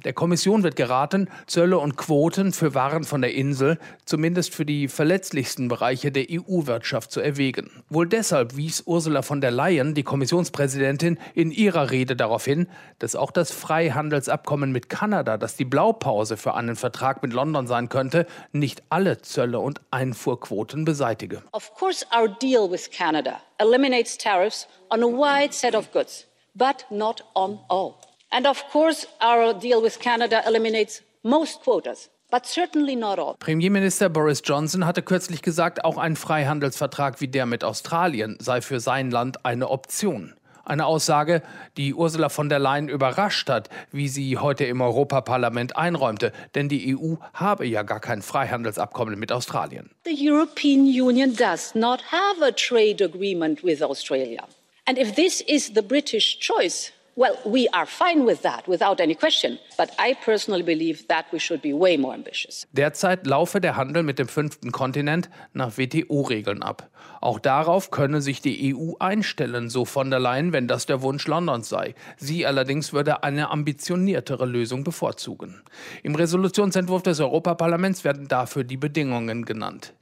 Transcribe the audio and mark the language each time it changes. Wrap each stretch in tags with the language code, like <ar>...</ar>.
<de>Der Kommission wird geraten, Zölle und Quoten für Waren von der Insel, zumindest für die verletzlichsten Bereiche der EU-Wirtschaft, zu erwägen. Wohl deshalb wies Ursula von der Leyen, die Kommissionspräsidentin, in ihrer Rede darauf hin, dass auch das Freihandelsabkommen mit Kanada, das die Blaupause für einen Vertrag mit London sein könnte, nicht alle Zölle und Einfuhrquoten beseitige.</de> <en>Of course, our deal with Canada eliminates tariffs on a wide set of goods, but not on all. And of course, our deal with Canada eliminates most quotas, but certainly not all.</en> <de>Premierminister Boris Johnson hatte kürzlich gesagt, auch ein Freihandelsvertrag wie der mit Australien sei für sein Land eine Option. Eine Aussage, die Ursula von der Leyen überrascht hat, wie sie heute im Europaparlament einräumte. Denn die EU habe ja gar kein Freihandelsabkommen mit Australien.</de> <en>The European Union does not have a trade agreement with Australia. And if this is the British choice, well, we are fine with that, without any question. But I personally believe that we should be way more ambitious.</en> <de>Derzeit laufe der Handel mit dem fünften Kontinent nach WTO-Regeln ab. Auch darauf könne sich die EU einstellen, so von der Leyen, wenn das der Wunsch Londons sei. Sie allerdings würde eine ambitioniertere Lösung bevorzugen. Im Resolutionsentwurf des Europaparlaments werden dafür die Bedingungen genannt.</de>